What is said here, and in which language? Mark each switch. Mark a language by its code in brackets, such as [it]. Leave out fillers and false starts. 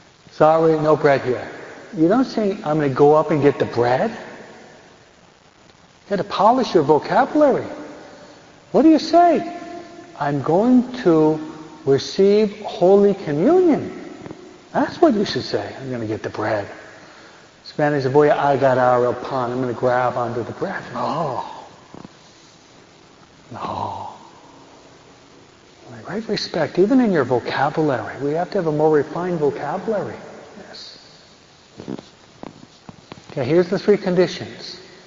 [en] Sorry, no bread here. You don't say, I'm going to go up and get the bread. You got to polish your vocabulary. What do you say? I'm going to receive Holy Communion. That's what you should say. I'm going to get the bread. [es] Spanish, voy a agarrar el pan. [en] I'm going to grab onto the bread. No. Great respect, even in your vocabulary. We have to have a more refined vocabulary. Yes. Okay, here's the 3 conditions.